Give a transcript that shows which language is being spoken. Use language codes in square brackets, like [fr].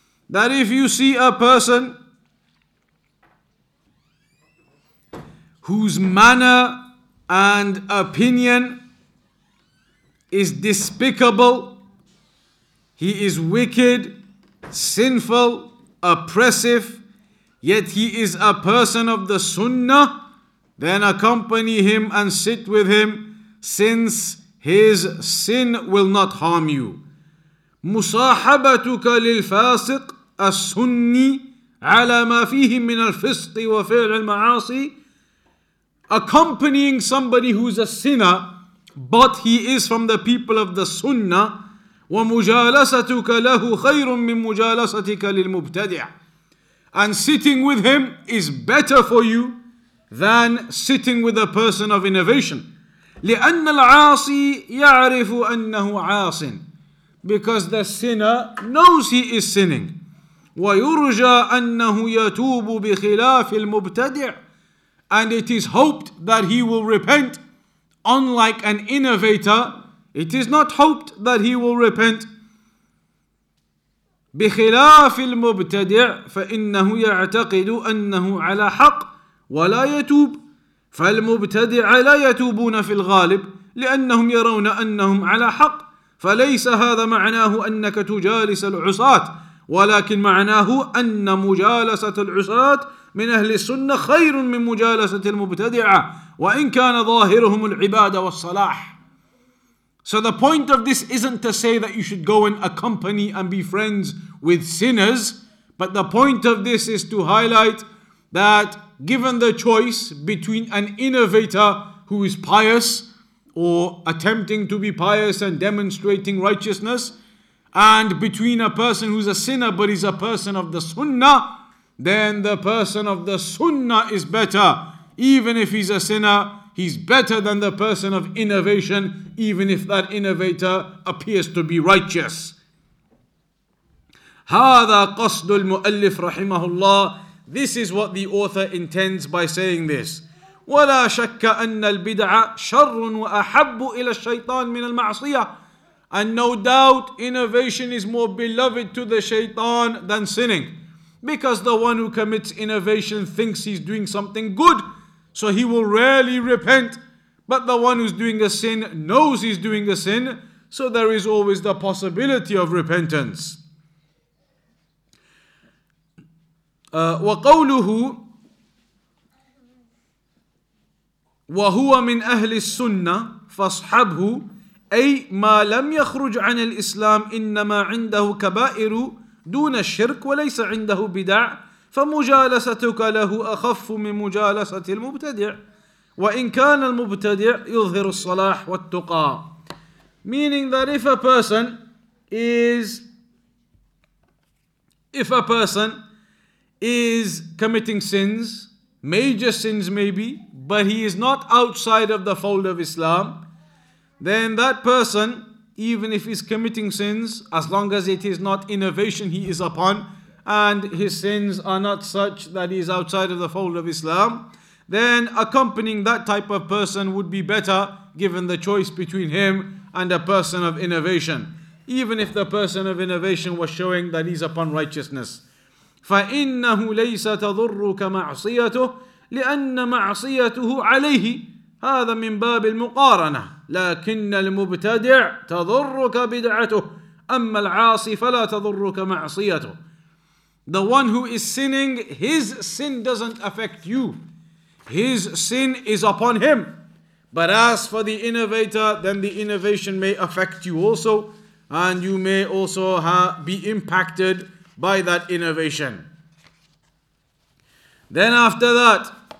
[en] That if you see a person whose manner and opinion is despicable, he is wicked, sinful, oppressive, yet he is a person of the sunnah, then accompany him and sit with him, since his sin will not harm you. [ar] مصاحبتك للفاسق السني على ما فيه من الفسق وفعل المعاصي. [en] Accompanying somebody who's a sinner, but he is from the people of the sunnah, [ar] وَمُجَالَسَتُكَ لَهُ خَيْرٌ مِّن مُجَالَسَتِكَ لِلْمُبْتَدِعِ. [en] And sitting with him is better for you than sitting with a person of innovation. [ar] لِأَنَّ الْعَاصِي يَعْرِفُ أَنَّهُ عَاصٍ. [en] Because the sinner knows he is sinning. [ar] وَيُرْجَى أَنَّهُ يَتُوبُ بِخِلَافِ الْمُبْتَدِعِ. [en] And it is hoped that he will repent. Unlike an innovator, it is not hoped that he will repent. [ar] بخلاف المبتدع فإنه يعتقد أنه على حق ولا يتوب. فالمبتدع لا يتوبون في الغالب لأنهم يرون أنهم على حق. فليس هذا معناه أنك تجالس العصاة، ولكن معناه أن مجالسة العصاة من أهل السنة خير من مجالسة المبتدعة وإن كان ظاهرهم العبادة والصلاح. [en] So the point of this isn't to say that you should go and accompany and be friends with sinners, but the point of this is to highlight that given the choice between an innovator who is pious or attempting to be pious and demonstrating righteousness, and between a person who's a sinner but is a person of the sunnah, then the person of the sunnah is better. Even if he's a sinner, he's better than the person of innovation, even if that innovator appears to be righteous. [ar] هذا قصد المؤلف رحمه الله. [en] This is what the author intends by saying this. [ar] ولا شك أن البدع شر وأحب إلى الشيطان من المعصية. [en] And no doubt, innovation is more beloved to the shaitan than sinning, because the one who commits innovation thinks he's doing something good, so he will rarely repent. But the one who's doing a sin knows he's doing a sin, so there is always the possibility of repentance. [ar] وَقَوْلُهُ وَهُوَ مِنْ أَهْلِ السُّنَّةِ فَاصْحَبْهُ أي مَا لَمْ يَخْرُجْ عَنِ الْإِسْلَامِ إِنَّمَا عِنْدَهُ كَبَائِرُ دون الشرك وليس عنده بدع فمجالستك له أخف من مجالسة المبتدع وإن كان المبتدع يظهر الصلاح والتقى. [en] Meaning that if a person is committing sins, major sins maybe, but he is not outside of the fold of Islam, then that person, even if he's committing sins, as long as it is not innovation he is upon, and his sins are not such that he is outside of the fold of Islam, then accompanying that type of person would be better, given the choice between him and a person of innovation, even if the person of innovation was showing that he's upon righteousness. [ar] فَإِنَّهُ لَيْسَ تَضُرُّكَ مَعْصِيَتُهُ لِأَنَّ مَعْصِيَتُهُ عَلَيْهِ هذا من باب المقارنة لكن المبتدع تضرك بدعته أما العاصي فلا تضرك معصيته. [en] The one who is sinning, his sin doesn't affect you. His sin is upon him. But as for the innovator, then the innovation may affect you also, and you may also be impacted by that innovation. Then after that,